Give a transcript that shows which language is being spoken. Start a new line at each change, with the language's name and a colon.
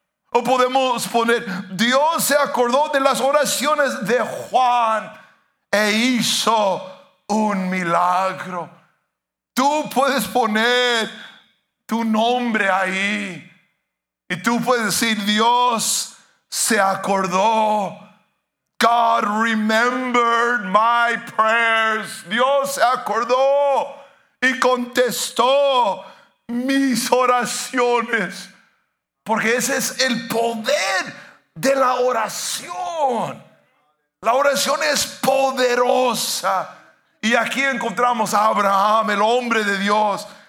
Spanish: O podemos poner: Dios se acordó de las oraciones de Juan e hizo un milagro. Tú puedes poner tu nombre ahí y tú puedes decir: Dios se acordó.
English: God remembered my prayers.
Spanish: Dios se acordó y contestó mis oraciones. Porque ese es el poder de la oración. La oración es poderosa. Y aquí encontramos a Abraham, el hombre de Dios.